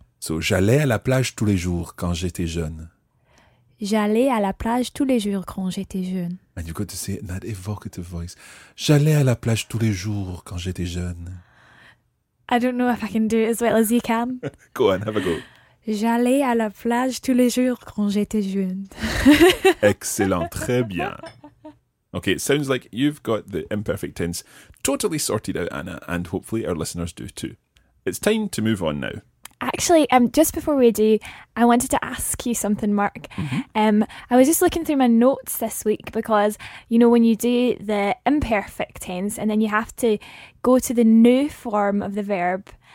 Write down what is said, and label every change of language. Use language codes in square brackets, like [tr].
[fr] So, j'allais à la plage tous les jours quand j'étais jeune. J'allais à la plage tous les jours quand j'étais jeune. [en] And you've got to say it in that evocative voice. [fr] J'allais à la plage tous les jours quand j'étais jeune. [en] I don't know if I can do it as well as you can. Go on, have a go. [fr] J'allais à la plage tous les jours quand j'étais jeune. Excellent, très bien. [en] Okay, it sounds like you've got the imperfect tense totally sorted out, Anna, and hopefully our listeners do too. It's time to move on now. Actually, just before we do, I wanted to ask you something, Mark. Mm-hmm. I was just looking through my notes this week because, you know, when you do the imperfect tense and then you have to go to the new form of the verb.